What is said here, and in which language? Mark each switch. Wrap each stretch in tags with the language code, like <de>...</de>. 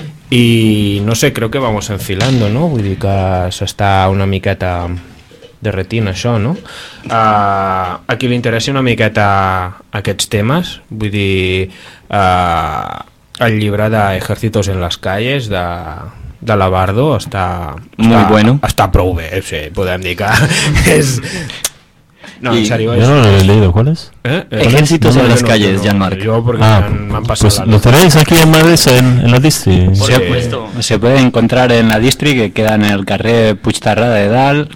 <es>Y no sé, creo que vamos enfilando, ¿no?</es> <ca>Vull dir que s'està una miqueta derretint això, ¿no? A qui li interessa una miqueta aquests temes, vull dir, el llibre d'Ejércitos en las calles de Labardo està molt bueno. Està prou bé, o sigui, podem dir que és...</ca> <es>No, en serio, yo no lo he leído, ¿cuál es? Ejércitos en las calles, Jean-Marc. Yo porque me han pasado. Pues lo tenéis aquí en Madrid, en la Distri. Sí. Se puede encontrar en la Distri, que queda en el carrer Puigterrada de Dalt.</es>